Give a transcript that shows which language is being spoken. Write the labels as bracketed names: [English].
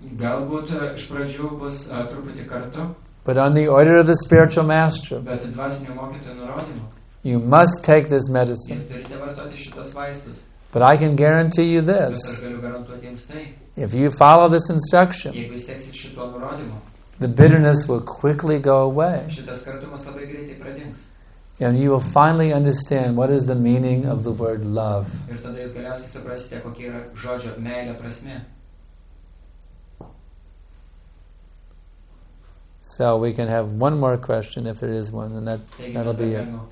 [Lithuanian] Galbūt iš pradžių bus truputį kartu. [English] But on the order of the spiritual master, [Lithuanian] bet dvasinio mokytojo nurodymu, [English] you must take this medicine. [Lithuanian] Jūs turite vartoti šitos vaistus. [English] But I can guarantee you this. [Lithuanian] Bet aš galiu garantuoti jums tai. [English] If you follow this instruction, [Lithuanian] jeigu seksit šito nurodymu, [English] the bitterness will quickly go away. [Lithuanian] Šitas kartumas labai greitai pradings. [English] And you will finally understand what is the meaning of the word love. [Lithuanian] Ir tada jūs galiausiai suprasite, kokia yra žodžio meilė prasmė. [English] So we can have one more question if there is one, and that'll be it.